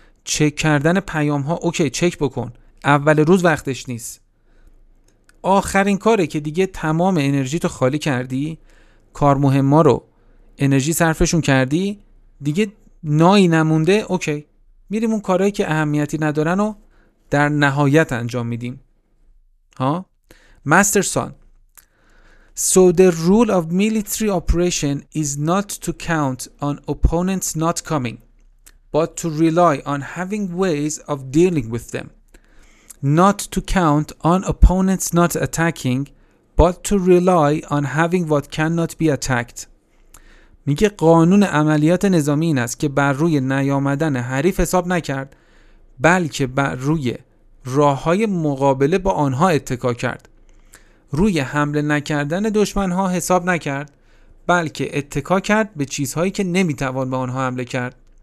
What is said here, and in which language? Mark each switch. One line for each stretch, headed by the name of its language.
Persian: چک کردن پیام ها، اوکی چک بکن، اول روز وقتش نیست. آخرین کاری که دیگه تمام انرژی تو خالی کردی، کار مهم ها رو انرژی صرفشون کردی، دیگه نایی نمونده، اوکی میریم اون کارهایی که اهمیتی ندارن و در نهایت انجام میدیم.
English: ها Masterson: So the rule of military operation is not to count on opponents not coming, but to rely on having ways of dealing with them. Not to count on opponents not attacking, but to rely on having what cannot be attacked.
Persian: میگه قانون عملیات نظامی این است که بر روی نیامدن حریف حساب نکرد، بلکه بر روی راه‌های مقابله با آنها اتکا کرد. روی حمله نکردن دشمن‌ها حساب نکرد، بلکه اتکا کرد به چیزهایی که نمیتوان به آنها حمله کرد.